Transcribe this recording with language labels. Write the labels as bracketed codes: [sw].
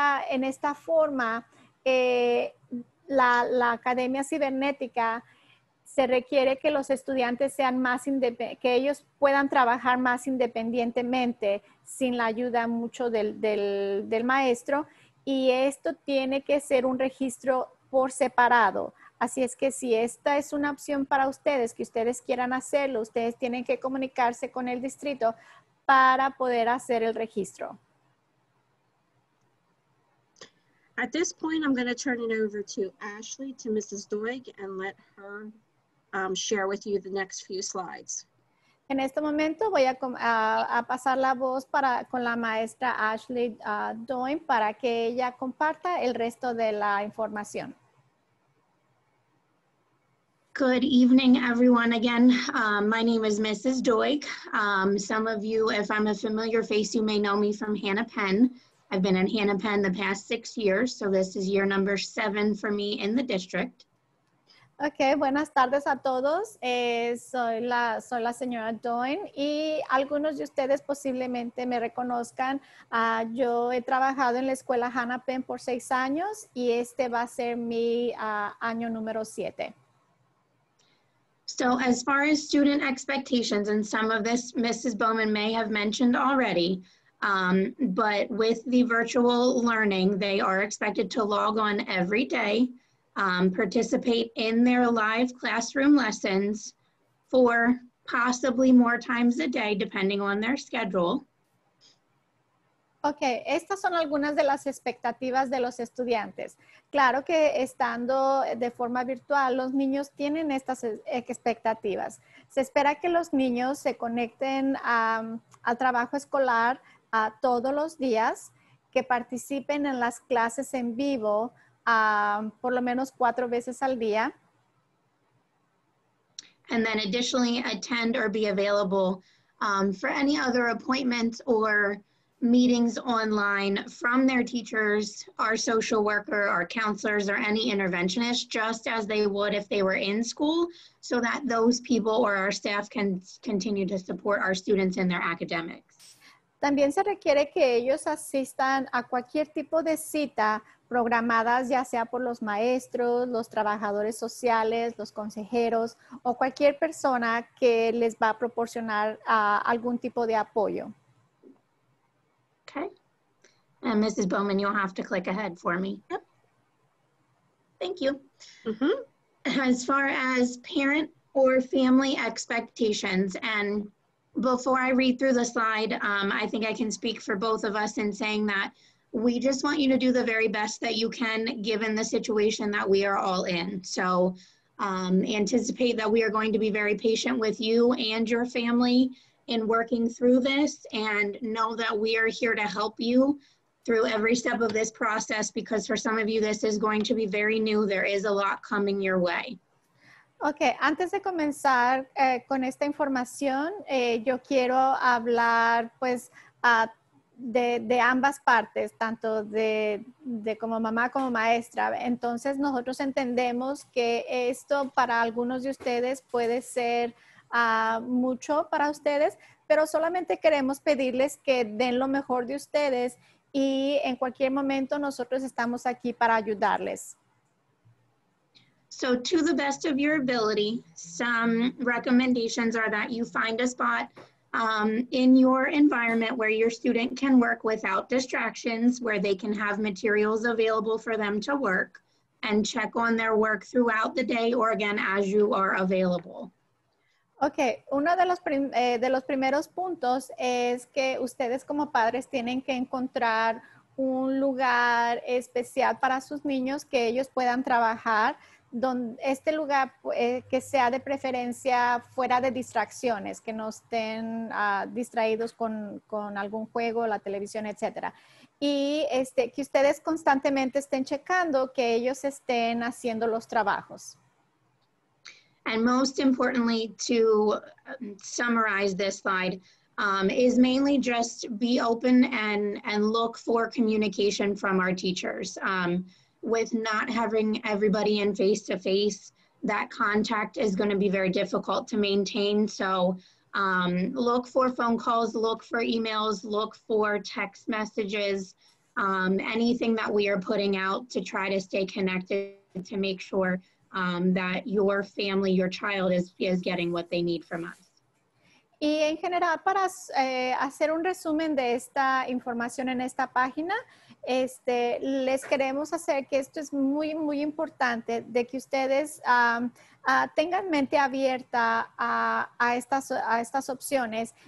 [es] En esta forma, la Academia Cibernética se requiere que los estudiantes sean más que ellos puedan trabajar más independientemente sin la ayuda mucho del maestro, y esto tiene que ser un registro por separado. Así es que si esta es una opción para ustedes, que ustedes quieran hacerlo, ustedes tienen que comunicarse con el distrito para poder hacer el registro. [en] At this point, I'm going to turn it over to Ashley, to Mrs. Doig, and let her share with you the next few slides. [es] En este momento voy a pasar la voz para con la maestra Ashley Doig para que ella comparta el resto de la información. [en] Good evening, everyone. Again, my name is Mrs. Doig. Some of you, if I'm a familiar face, you may know me from Hennepin. I've been in Hennepin the past 6 years, so this is year number 7 for me in the district. [es] Okay, buenas tardes a todos. Soy la señora Doig, y algunos de ustedes posiblemente me reconozcan. Yo he trabajado en la escuela Hennepin por 6 años, y este va a ser mi año número 7. [en] So as far as student expectations, and some of this Mrs. Bowman may have mentioned already, but with the virtual learning, they are expected to log on every day, participate in their live classroom lessons 4, possibly more times a day, depending on their schedule. [es] Okay, estas son algunas de las expectativas de los estudiantes. Claro que estando de forma virtual, los niños tienen estas expectativas. Se espera que los niños se conecten al trabajo escolar todos los días, que participen en las clases en vivo por lo menos 4 veces al día. [en] And then additionally, attend or be available for any other appointments or meetings online from their teachers, our social worker, our counselors, or any interventionist, just as they would if they were in school, so that those people or our staff can continue to support our students in their academics. [es] También se requiere que ellos asistan a cualquier tipo de cita programadas, ya sea por los maestros, los trabajadores sociales, los consejeros, o cualquier persona que les va a proporcionar algún tipo de apoyo. [en] Okay. And Mrs. Bowman, you'll have to click ahead for me. Yep. Thank you. Mm-hmm. As far as parent or family expectations, and before I read through the slide, I think I can speak for both of us in saying that we just want you to do the very best that you can given the situation that we are all in. So anticipate that we are going to be very patient with you and your family in working through this, and know that we are here to help you through every step of this process, because for some of you, this is going to be very new. There is a lot coming your way. [es] Okay, antes de comenzar con esta información, yo quiero hablar pues de ambas partes, tanto de como mamá como maestra. Entonces nosotros entendemos que esto para algunos de ustedes puede ser mucho para ustedes, pero solamente queremos pedirles que den lo mejor de ustedes y en cualquier momento nosotros estamos aquí para ayudarles. [en] So to the best of your ability, some recommendations are that you find a spot in your environment where your student can work without distractions, where they can have materials available for them to work and check on their work throughout the day or again as you are available. [es] Okay, uno de los primeros puntos es que ustedes como padres tienen que encontrar un lugar especial para sus niños que ellos puedan trabajar, donde este lugar que sea de preferencia fuera de distracciones, que no estén distraídos con algún juego, la televisión, etc. Y que ustedes constantemente estén checando que ellos estén haciendo los trabajos. [en] And most importantly, to summarize this slide, is mainly just be open and look for communication from our teachers. With not having everybody in face-to-face, that contact is going to be very difficult to maintain. So look for phone calls, look for emails, look for text messages, anything that we are putting out to try to stay connected to make sure that your family, your child is getting what they need from us. [es] Y en general, para hacer un resumen de esta información en esta página, les queremos hacer que esto es muy, muy importante de que ustedes tengan mente abierta a estas opciones.